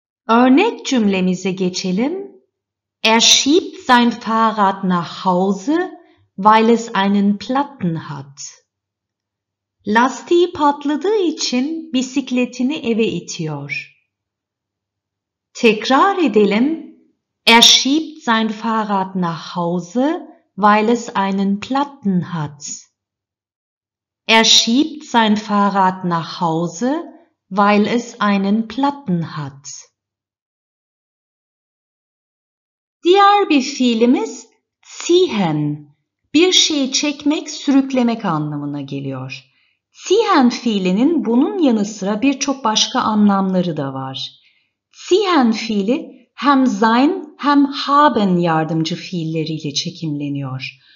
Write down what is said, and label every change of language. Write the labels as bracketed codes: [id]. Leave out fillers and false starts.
[tr] Örnek cümlemize geçelim. [de] Er schiebt sein Fahrrad nach Hause, weil es einen Platten hat. [tr] Lastiği patladığı için bisikletini eve itiyor. Tekrar edelim. [de] Er schiebt sein Fahrrad nach Hause, weil es einen Platten hat. Er schiebt sein Fahrrad nach Hause, weil es einen Platten hat. [tr] Diğer bir fiilimiz ziehen, bir şeyi çekmek, sürüklemek anlamına geliyor. Ziehen fiilinin bunun yanı sıra birçok başka anlamları da var. Ziehen fiili hem sein hem haben yardımcı fiilleriyle çekimleniyor.